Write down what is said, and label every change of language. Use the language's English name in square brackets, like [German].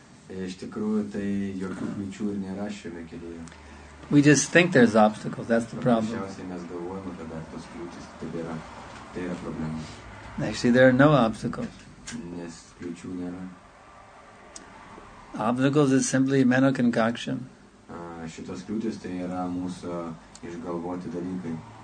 [Lithuanian] Iš tikrųjų, tai jokių kliūčių ir nėra šiame kelyje. [English] We just think there's obstacles, that's the problem. [Lithuanian] Paprasčiausiai mes galvojame, kad tos kliūtis tebėra. Tai yra problema. [English] Actually, there are no obstacles. [Lithuanian] Nes kliūčių nėra. [English] Obstacles is simply mental concoction. [Lithuanian] šitos kliūtis, tai yra mūsų išgalvoti dalykai.